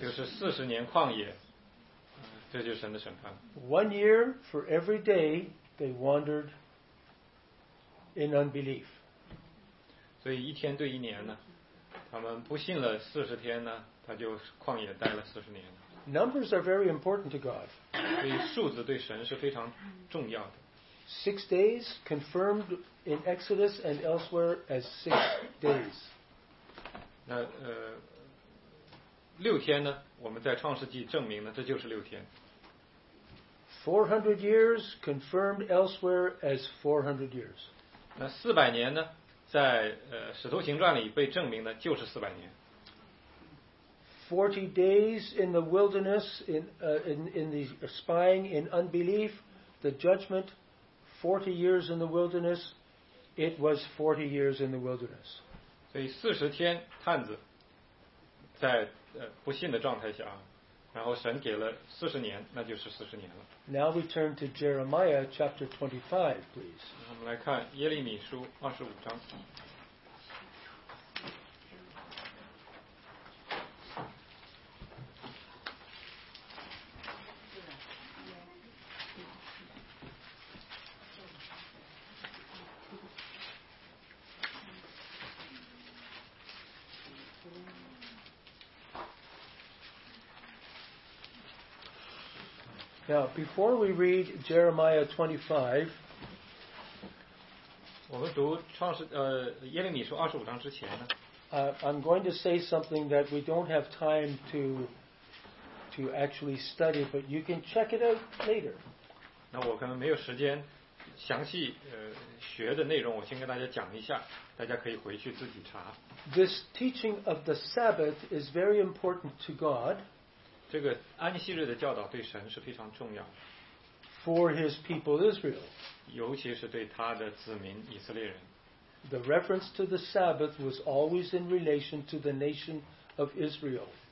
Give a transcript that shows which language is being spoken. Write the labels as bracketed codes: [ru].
[zh] 就是40年旷野, 这就是神的审判。 [en] 1 year for every day they wandered in unbelief. [zh] 所以一天对一年呢, 他们不信了40天呢, 他就旷野待了40年了。 [en] Numbers are very important to God. [zh] 所以数字对神是非常重要的。 [en] 6 days confirmed in Exodus and elsewhere as 6 days. [zh] 那, 6天呢, 我们在创世纪证明呢, 这就是6天。 [en] 400 years confirmed elsewhere as 400 years. [zh] 那400年呢, 在, 使徒行传里被证明的, 就是400年。 [en] 40 days in the wilderness, in the spying in unbelief, the judgment, 40 years in the wilderness, it was 40 years in the wilderness. [zh] 所以40天探子, 在不信的状态下, 然后神给了40年, 那就是40年了。 [en] Now we turn to Jeremiah chapter 25, please. [zh] 我们来看耶利米书25章。 [en] Now, before we read Jeremiah 25, I'm going to say something that we don't have time to actually study, but you can check it out later. [zh] 那我可能没有时间详细学的内容，我先跟大家讲一下，大家可以回去自己查。 [en] This teaching of the Sabbath is very important to God. [zh] 这个安息日的教导对神是非常重要的, [en] for his people Israel, [zh] 尤其是对他的子民以色列人, [en] the reference to the Sabbath was always in relation to the nation of Israel.